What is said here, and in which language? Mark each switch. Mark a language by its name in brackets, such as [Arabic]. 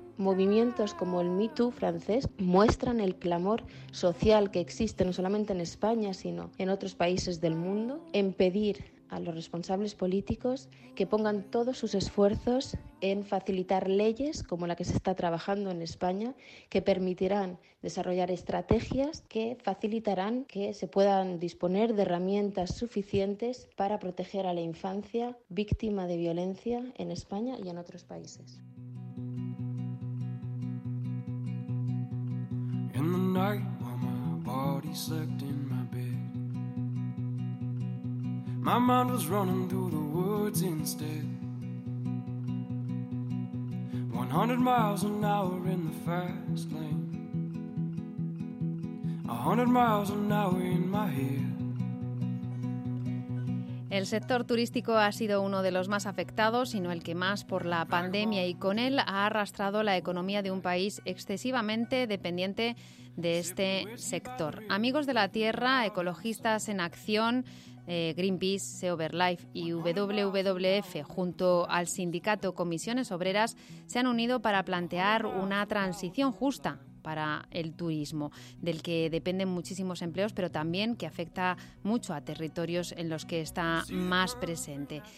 [Spanish] Movimientos como el Me Too francés muestran el clamor social que existe no solamente en España, sino en otros países del mundo, en pedir a los responsables políticos que pongan todos sus esfuerzos en facilitar leyes como la que se está trabajando en España, que permitirán desarrollar estrategias que facilitarán que se puedan disponer de herramientas suficientes para proteger a la infancia víctima de violencia en España y en otros países. [English] In the night while my body slept in my bed, my mind was running through the woods instead. 100 miles an hour in the fast lane, 100 miles an hour in my head. [Spanish] El sector turístico ha sido uno de los más afectados, sino el que más, por la pandemia, y con él ha arrastrado la economía de un país excesivamente dependiente de este sector. Amigos de la Tierra, Ecologistas en Acción, Greenpeace, Sea Over Life y WWF, junto al sindicato Comisiones Obreras, se han unido para plantear una transición justa para el turismo, del que dependen muchísimos empleos, pero también que afecta mucho a territorios en los que está más presente.